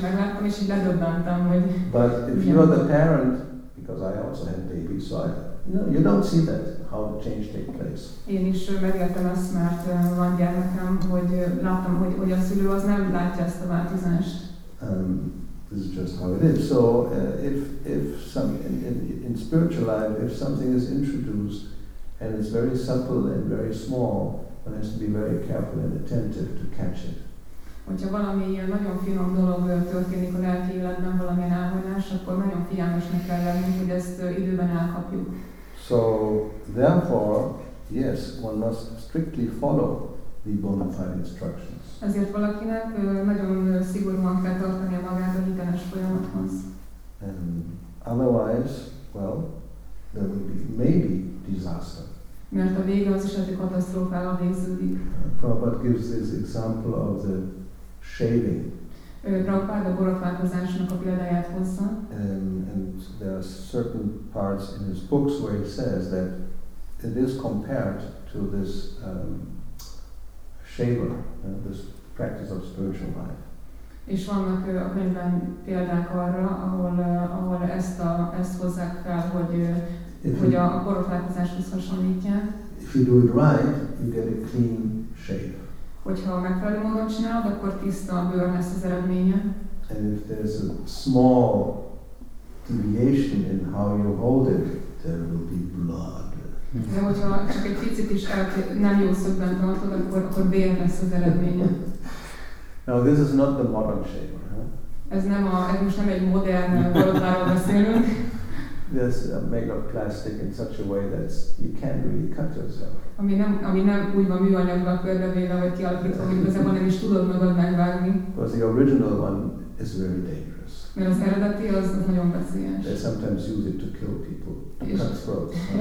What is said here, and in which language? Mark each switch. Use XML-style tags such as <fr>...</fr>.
<en>But if you are the parent, because I also had babies, so you don't see that, how the change takes place.</en> <hu>Én is megértem azt, mert van gyermekem, hogy láttam, hogy a szülő az nem látja ezt a változást.</hu> <en>This is just how it is. So if in spiritual life, if something is introduced and it's very subtle and very small, one has to be very careful and attentive to catch it.</en> <hu>Hogyha valami ilyen nagyon finom dolog történik a lelki életben, valamilyen elhagyás, akkor nagyon figyelmesnek kell lennünk, hogy ezt időben elkapjuk.</hu> <en>So therefore, yes, one must strictly follow the bona fide instructions.</en> <hu>Ezért valakinek nagyon szigorúan kell tartani magát a hiteles folyamathoz.</hu> <en>Otherwise, well, there will be maybe disaster.</en> <hu>Mert a vége az eseti katasztrófával végződik.</hu> <en>Prabhupada gives this example of the shaving.</en> <hu>Prabhupada a borotválkozásnak a példáját hozza.</hu> <en>And there are certain parts in his books where he says that it is compared to this shaver, this practice of spiritual life.</en> <hu>És vannak a könyvben példák arra, ahol ezt hozzák fel, hogy a borotválkozáshoz hasonlítják.</hu> <en>If you do it right, you get a clean shave.</en> <hu>Hogyha megfelelő módon csinálod, akkor tiszta a bőr lesz az eredménye.</hu> <en>And if there's a small deviation in how you hold it, there will be blood.</en> <hu>De hogyha csak egy picit is nem jó szögben tartod, akkor bér lesz az eredménye.</hu> <en>Now this is not the modern shaver, huh?</en> <hu>Ez most nem egy modern borotváról beszélünk.</hu> <en>This made of plastic in such a way that you can't really cut yourself.</en> <hu>Ami nem úgy van műanyagban körbevéve vagy kialakítva, hogy igazából nem is tudod magad megvágni.</hu> <en>Because the original one is very dangerous.</en> <hu>Mert az eredeti az nagyon veszélyes.</hu> <en>They sometimes use it to kill people, to cut throats.</en>